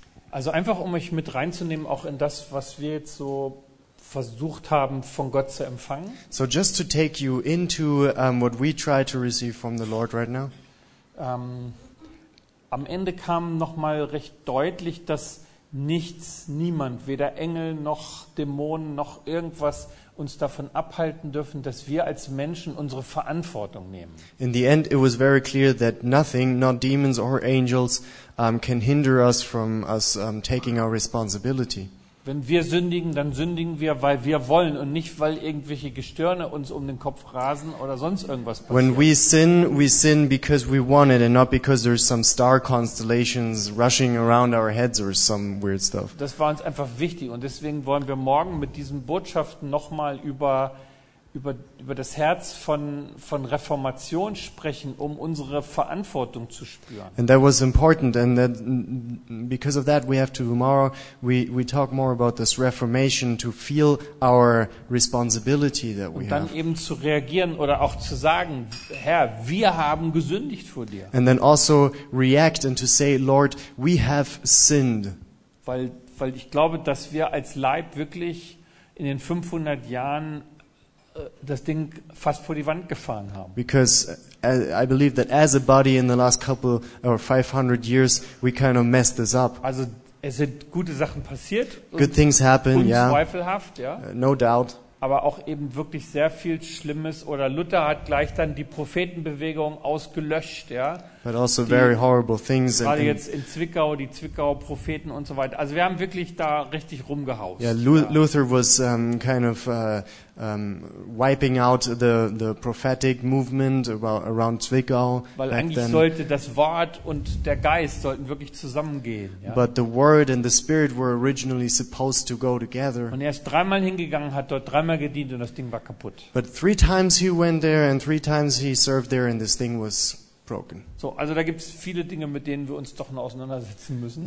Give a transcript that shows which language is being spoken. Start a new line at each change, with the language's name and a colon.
German: Also einfach, um euch mit reinzunehmen, auch in das, was wir jetzt so versucht haben, von Gott zu empfangen.
English: So just to take you into what we try to receive from the Lord right now.
German: Am Ende kam nochmal recht deutlich, dass nichts, niemand, weder Engel noch Dämonen noch irgendwas uns davon abhalten dürfen, dass wir als Menschen unsere Verantwortung nehmen.
English: In the end, it was very clear that nothing, not demons or angels, can hinder us from us taking our responsibility.
German: Wenn wir sündigen, dann sündigen wir, weil wir wollen und nicht, weil irgendwelche Gestirne uns um den Kopf rasen oder sonst irgendwas passiert.
English: When we sin because we want it and not because there's some star constellations rushing around our heads or some weird stuff.
German: Das war uns einfach wichtig und deswegen wollen wir morgen mit diesen Botschaften nochmal über das Herz von Reformation sprechen, um unsere Verantwortung zu spüren.
English: And that was important, and that because of that we have to tomorrow we talk more about this Reformation to feel our responsibility that we have.
German: Und dann eben zu reagieren oder auch zu sagen, Herr, wir haben gesündigt vor dir.
English: And then also react and to say, Lord, we have sinned.
German: Weil ich glaube, dass wir als Leib wirklich in den 500 Jahren das Ding fast vor die Wand gefahren haben.
English: Because I believe that as a body in the last couple or 500 years we kind of messed this up.
German: Also es sind gute Sachen passiert.
English: Good things happen, ja.
German: Unzweifelhaft, ja.
English: No doubt.
German: Aber auch eben wirklich sehr viel Schlimmes. Oder Luther hat gleich dann die Prophetenbewegung ausgelöscht, ja.
English: But also very horrible things.
German: Gerade jetzt in Zwickau, die Zwickauer Propheten und so weiter. Also wir haben wirklich da richtig rumgehaust.
English: Yeah, Luther was wiping out the prophetic movement around Zwickau.
German: Weil eigentlich sollte das Wort und der Geist sollten wirklich zusammengehen. Ja?
English: But the word and the spirit were originally supposed to go together.
German: Und er ist dreimal hingegangen, hat dort dreimal gedient und das Ding war kaputt.
English: But three times he went there and three times he served there and this thing was broken.
German: So, also da gibt's viele Dinge, mit denen wir uns doch noch auseinandersetzen müssen.